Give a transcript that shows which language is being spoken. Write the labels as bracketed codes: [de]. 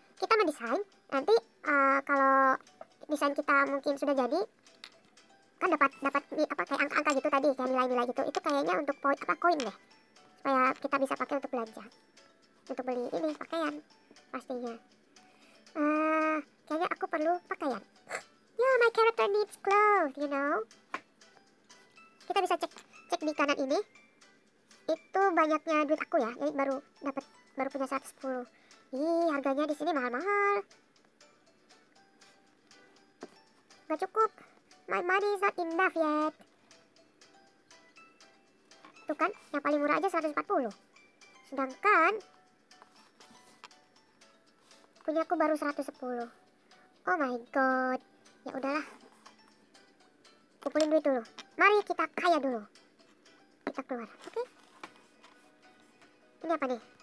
[id] Kita mendesain, nanti kalau desain kita mungkin sudah jadi, kan dapat apa kayak angka-angka gitu tadi, kayak nilai-nilai gitu, itu kayaknya untuk koin deh, supaya kita bisa pakai untuk belanja, untuk beli ini pakaian pastinya. Kayaknya aku perlu pakaian. [en] Yeah, my character needs clothes, you know. [id] Kita bisa cek di kanan ini, itu banyaknya duit aku ya, jadi baru punya 110. Ih, harganya di sini mahal-mahal. Gak cukup. [en] My money is not enough yet. [id] Tuh kan, yang paling murah aja 140. Sedangkan punya aku baru 110. [en] Oh my god. [id] Ya udahlah. Kumpulin duit dulu. Mari kita kaya dulu. Kita keluar, oke? Okay. Ini apa nih?